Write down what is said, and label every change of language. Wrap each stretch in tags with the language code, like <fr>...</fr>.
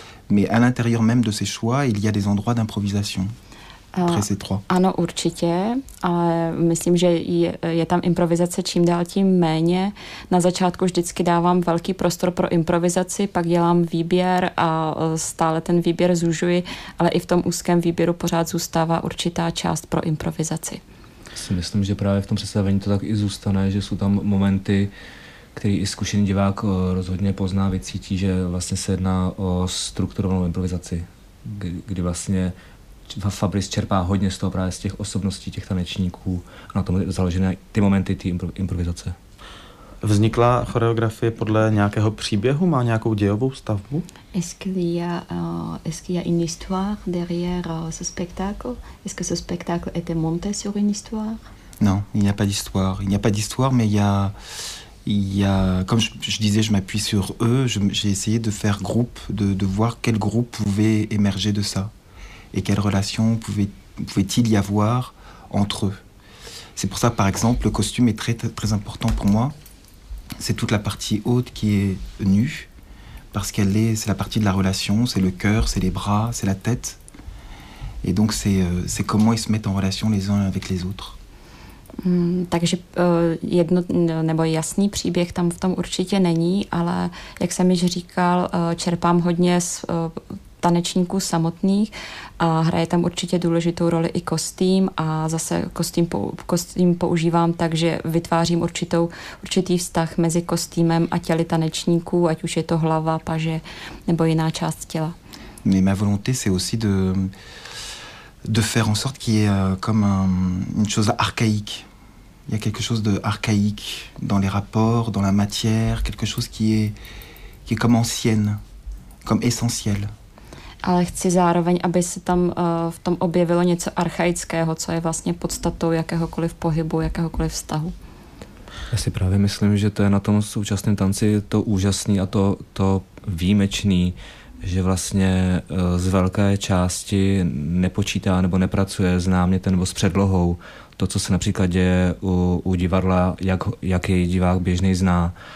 <fr>Mais à l'intérieur même de ces choix, il y a des endroits d'improvisation. Après ces trois.</fr> <cs>Ano, určitě, ale myslím, že je tam improvizace čím dál tím méně. Na začátku vždycky dávám velký prostor pro improvizaci, pak dělám výběr a stále ten výběr zužuji, ale i v tom úzkém výběru pořád zůstává určitá část pro improvizaci. Si myslím, že právě v tom představení to tak i zůstane, že jsou tam momenty, které i zkušený divák rozhodně pozná, vycítí, že vlastně se jedná o strukturovanou improvizaci, kdy vlastně Fabrice čerpá hodně z toho právě z těch osobností těch tanečníků a na tom je založené ty momenty, ty improvizace. Vznikla choreografie podle nějakého příběhu, má nějakou dějovou stavbu?</cs> <fr>Est-ce qu'il y a une histoire derrière ce spectacle? Est-ce que ce spectacle était monté sur une histoire? Non, il n'y a pas d'histoire. Il n'y a pas d'histoire, mais il y a comme je disais, je m'appuie sur eux. J'ai essayé de faire groupe, de voir quel groupe pouvait émerger de ça et quelles relations pouvait-il y avoir entre eux. C'est pour ça, par exemple, le costume est très très important pour moi. C'est toute la partie haute qui est nue, parce qu'elle est, c'est la partie de la relation, c'est le cœur, c'est les bras, c'est la tête. Et donc c'est comment ils se mettent en relation les uns avec les autres.</fr> <cs>Takže nebo jasný příběh tam v tom určitě není, ale jak jsem již říkal, čerpám hodně z tanečníků samotných a hraje tam určitě důležitou roli i kostým a zase kostým používám tak, že vytvářím určitý vztah mezi kostýmem a těly tanečníků, ať už je to hlava, paže nebo jiná část těla.</cs> <fr>Mais ma volonté c'est aussi de faire en sorte qu'il y ait comme une chose archaïque. Il y a quelque chose de archaïque dans les rapports, dans la matière, quelque chose qui est comme ancienne, comme essentielle.</fr> <cs>Ale chci zároveň, aby se tam v tom objevilo něco archaického, co je vlastně podstatou jakéhokoliv pohybu, jakéhokoliv vztahu. Já si právě myslím, že to je na tom současném tanci to úžasné a to výjimečné, že vlastně z velké části nepočítá nebo nepracuje s námětem nebo s předlohou to, co se například děje u divadla, jak jej divák běžný zná.</cs>